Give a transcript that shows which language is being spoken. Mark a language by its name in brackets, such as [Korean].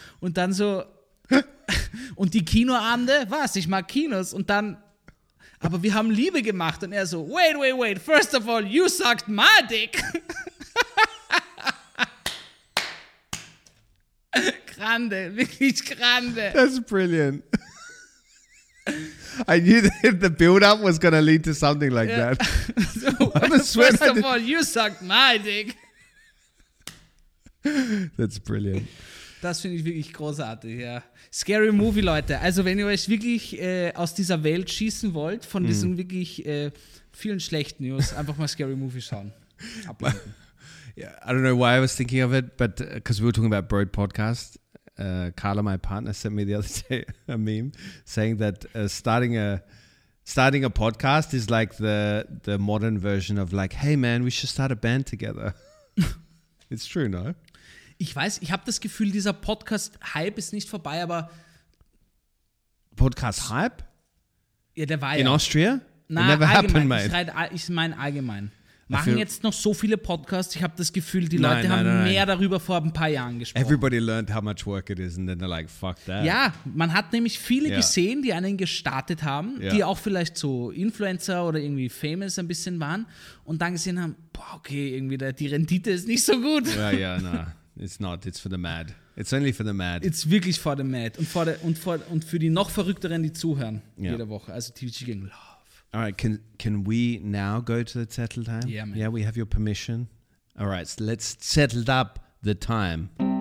[German] Und dann so, und die Kinoabende? Was, ich mag Kinos. Und dann, aber wir haben Liebe gemacht. Und er so, [English] wait, first of all, you sucked my dick. [German] Grande, wirklich grande. [English] That's brilliant. I knew that the build-up was going to lead to something like that. So, first of all, you sucked my dick. That's brilliant. [German] Das finde ich wirklich großartig, ja. Scary Movie, Leute. Also, wenn ihr euch wirklich aus dieser Welt schießen wollt, von diesen wirklich vielen schlechten News, einfach mal Scary Movie schauen. [English] Yeah, I don't know why I was thinking of it, but because we were talking about Broad Podcast. Carla, my partner, sent me the other day a meme saying that starting a podcast is like the modern version of like, hey man, we should start a band together. It's true, no? [German] Ich weiß, ich habe das Gefühl, dieser Podcast-Hype ist nicht vorbei, aber... Podcast-Hype? Ja, der war [English] in Austria? Nein, never happened, mate. [German] Ich meine allgemein. Machen jetzt noch so viele Podcasts, ich habe das Gefühl, die Leute haben mehr darüber vor ein paar Jahren gesprochen. [English] Everybody learned how much work it is and then they're like, fuck that. [German] Ja, man hat nämlich viele gesehen, die einen gestartet haben, die auch vielleicht so Influencer oder irgendwie famous ein bisschen waren und dann gesehen haben, boah, okay, irgendwie die Rendite ist nicht so gut. [English] It's not, it's for the mad. It's only for the mad. [German] It's wirklich [English] for the mad [German] und für die noch Verrückteren, die zuhören jede Woche. Also TVG ging los. [English] All right, can we now go to the settle time? Yeah, man. Yeah, we have your permission. All right, so let's settle up the time.